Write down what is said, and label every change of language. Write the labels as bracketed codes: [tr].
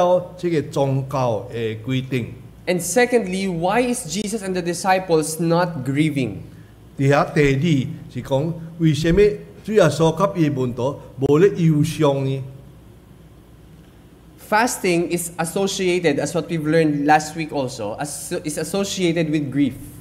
[nan] 头一个就是说主耶稣给他的问题，为什么没遵照这个宗教的规定？ [en] And secondly, why is Jesus and the disciples not grieving? [nan] 第二个就是说为什么主耶稣给他的问题没有忧伤呢？ [en] Fasting is associated, as what we've learned last week also, is associated with grief.